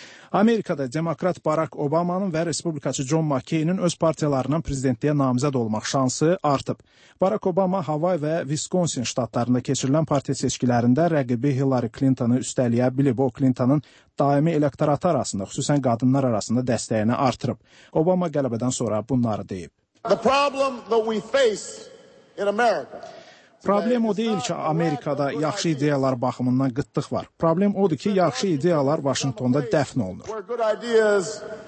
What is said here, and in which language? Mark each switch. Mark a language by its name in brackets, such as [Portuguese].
[Azerbaijani] Amerikada demokrat Barack Obamanın və respublikaçı John McCain'in öz partiyalarından prezidentliyə namizəd olmaq şansı artıb. Barack Obama Hawaii və Wisconsin ştatlarında keçirilən partiya seçkilərində rəqibi Hillary Clinton'ı üstələyə bilib. O, Clinton'ın daimi elektoratı arasında, xüsusən qadınlar arasında dəstəyini artırıb. Obama qələbədən sonra bunları deyib. [English] The problem that we face in America. [Azerbaijani] Problem o deyil ki, Amerikada yaxşı ideyalar baxımından qıtlıq var. Problem odur ki, yaxşı ideyalar Vaşinqtonda dəfn olunur.